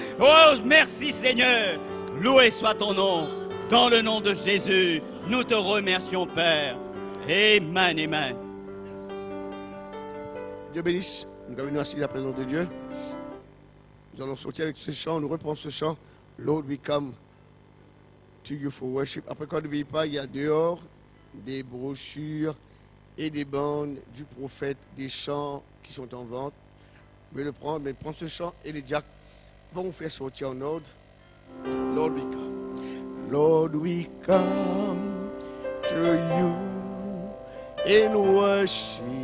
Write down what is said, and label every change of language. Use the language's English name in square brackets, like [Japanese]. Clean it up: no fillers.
[French] Oh, merci, Seigneur. Loué soit ton nom. Dans le nom de Jésus, nous te remercions, Père. Amen, amen. Dieu bénisse. Nous revenons ainsi à la présence de Dieu. Nous allons sortir avec ce chant. Nous reprenons ce chant. [English] Lord, we come to you for worship. [French] Après quoi, n'oubliez pas, il y a dehors des brochures et des bandes du prophète, des chants qui sont en vente. Mais le prendre, mais prends ce chant et les diacres vont vous faire sortir en ordre. [English] Lord, we come. Lord, we come to you in worship.